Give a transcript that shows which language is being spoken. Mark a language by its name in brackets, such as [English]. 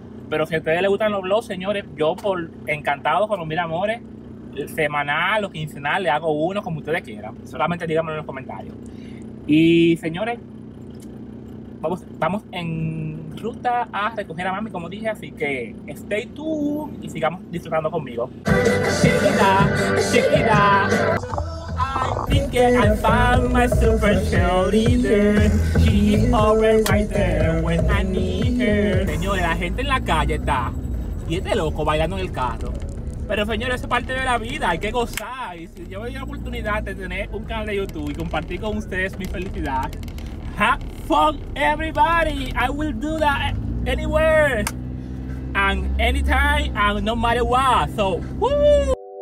[Spanish] Pero si a ustedes les gustan los vlogs, señores, yo por encantado con los mil amores, semanal o quincenal, le hago uno como ustedes quieran. Solamente díganme en los comentarios. Y señores, vamos en ruta a recoger a mami, como dije, así que [English] stay tuned [Spanish] y sigamos disfrutando conmigo. Chiquita, chiquita, [English] I think I found my super cheerleader. She's always right there when I need her. [Spanish] Señores, la gente en la calle está y este loco bailando en el carro. Pero señores, eso es parte de la vida, hay que gozar. Y si yo me di la oportunidad de tener un canal de YouTube y compartir con ustedes mi felicidad, [English] have fun everybody, I will do that anywhere and anytime and no matter what. So woo!